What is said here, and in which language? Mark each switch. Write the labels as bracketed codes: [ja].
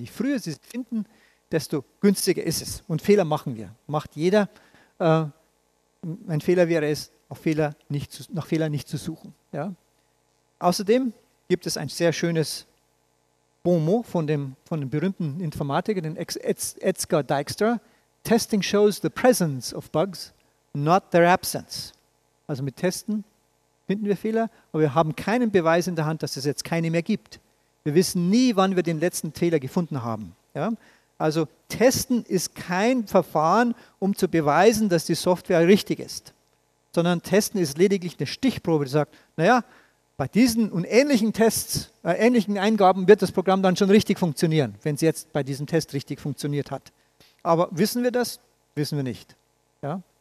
[de] Je früher Sie es finden, desto günstiger ist es. Und Fehler machen wir. Macht jeder. Ein Fehler wäre es, nach Fehlern nicht zu suchen. Ja? Außerdem gibt es ein sehr schönes Bonmot von dem berühmten Informatiker, den Edgar Dijkstra. [en] Testing shows the presence of bugs, not their absence. [de] Also mit Testen finden wir Fehler, aber wir haben keinen Beweis in der Hand, dass es jetzt keine mehr gibt. Wir wissen nie, wann wir den letzten Fehler gefunden haben. Ja? Also Testen ist kein Verfahren, um zu beweisen, dass die Software richtig ist. Sondern Testen ist lediglich eine Stichprobe, die sagt, naja, bei diesen und ähnlichen Eingaben wird das Programm dann schon richtig funktionieren, wenn es jetzt bei diesem Test richtig funktioniert hat. Aber wissen wir das? Wissen wir nicht. Ja?